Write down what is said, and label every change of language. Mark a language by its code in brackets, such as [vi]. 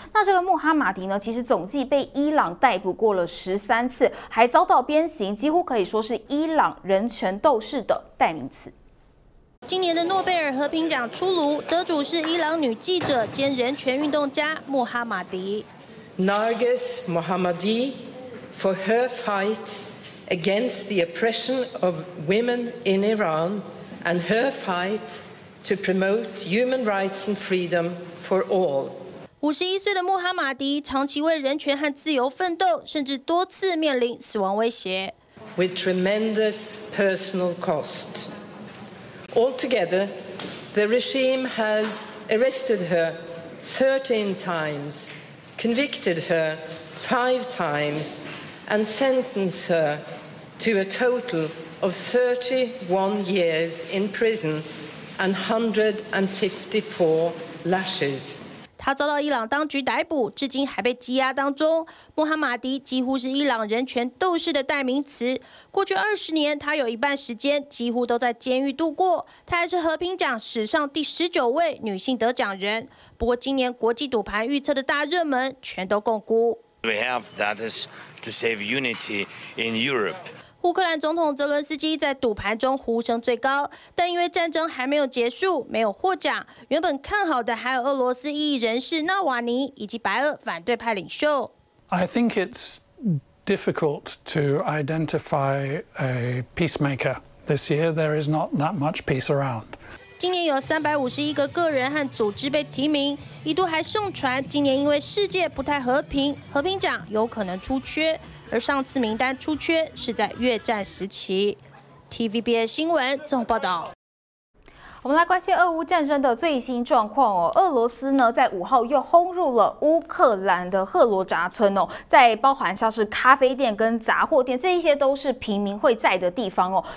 [zh] 那这个穆哈马迪呢，其实总计被伊朗逮捕过了13次，还遭到鞭刑，几乎可以说是伊朗人权斗士的代名词。今年的诺贝尔和平奖出炉，得主是伊朗女记者兼人权运动家穆哈马迪。 [en] Narges Mohammadi for her fight against the oppression of women in Iran and her fight. To promote human rights and freedom for all. [zh] 51岁的穆哈马迪长期为人权和自由奋斗，甚至多次面临死亡威胁。 [en] With tremendous personal cost. Altogether, the regime has arrested her 13 times, convicted her 5 times, and sentenced her to a total of 31 years in prison. And 154 lashes. [zh] 他遭到伊朗当局逮捕，至今还被羁押当中。穆哈马迪几乎是伊朗人权斗士的代名词。过去20年，他有一半时间几乎都在监狱度过。他还是和平奖史上第19位女性得奖人。不过，今年国际赌盘预测的大热门全都共估。 [en] We have that is to save unity in Europe. [zh] 乌克兰总统泽伦斯基在赌盘中呼声最高，但因为战争还没有结束，没有获奖。原本看好的还有俄罗斯异议人士纳瓦尼以及白俄反对派领袖。 [en] I think it's difficult to identify a peacemaker this year. There is not that much peace around. [zh] 今年有351个个人和组织被提名，一度还盛传今年因为世界不太和平，和平奖有可能出缺，而上次名单出缺是在越战时期。 TVBS 新闻综合报道。我们来关心俄乌战争的最新状况哦。俄罗斯呢，在五号又轰入了乌克兰的赫罗扎村哦，在包含像是咖啡店跟杂货店，这一些都是平民会在的地方哦。